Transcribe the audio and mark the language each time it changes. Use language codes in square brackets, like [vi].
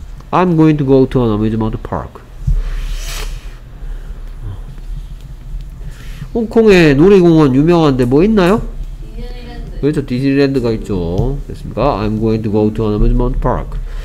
[en] I'm going to go to an amusement park. [ko] 홍콩에 놀이공원 유명한데 뭐 있나요? 디즈니랜드. 그렇죠. 디즈니랜드가 있죠. 됐습니까? [en] I'm going to go to an amusement park.